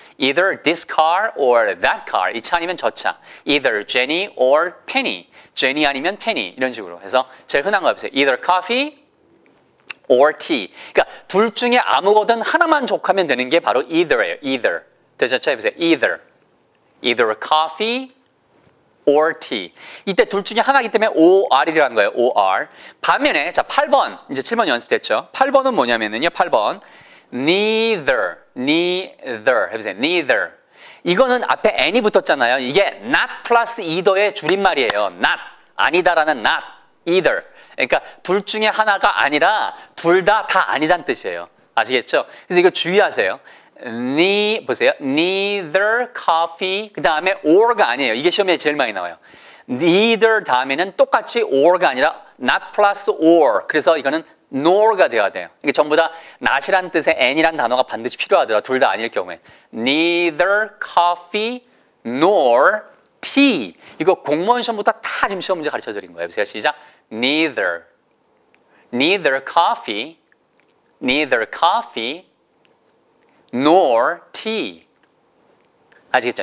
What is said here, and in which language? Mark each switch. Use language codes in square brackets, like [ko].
[en] Either this car or that car. [ko] 이 차 아니면 저 차. [en] Either Jenny or Penny. [ko] Jenny 아니면 Penny. 이런 식으로 해서 제일 흔한 거 해보세요. [en] Either coffee or tea. [ko] 그러니까 둘 중에 아무거든 하나만 족하면 되는 게 바로 either예요. [en] either. [ko] 되셨죠? 해보세요. [en] either. either coffee or tea. [ko] 이때 둘 중에 하나이기 때문에 or이 들어간 거예요. or. 반면에 자 8번. 이제 7번 연습됐죠. 8번은 뭐냐면요. 8번. [en] neither. neither. [ko] 해보세요. [en] neither. [ko] 이거는 앞에 any 붙었잖아요. 이게 [en] not plus either [ko] 의 줄임말이에요. [en] not. [ko] 아니다라는 [en] not. either. [ko] 그러니까 둘 중에 하나가 아니라 둘 다 다 아니다는 뜻이에요. 아시겠죠? 그래서 이거 주의하세요. 니 보세요. [en] neither coffee [ko] 그다음에 or가 아니에요. 이게 시험에 제일 많이 나와요. neither 다음에는 똑같이 or가 아니라 [en] not plus or. [ko] 그래서 이거는 nor가 되어야 돼요. 이게 전부 다 not이란 뜻의 n이란 단어가 반드시 필요하더라. 둘 다 아닐 경우에. [en] neither coffee nor tea. [ko] 이거 공무원 시험부터 다 지금 시험 문제 가르쳐 드린 거예요. 제가 시작 [en] neither, neither coffee, neither coffee, nor tea. [ko] 아시겠죠?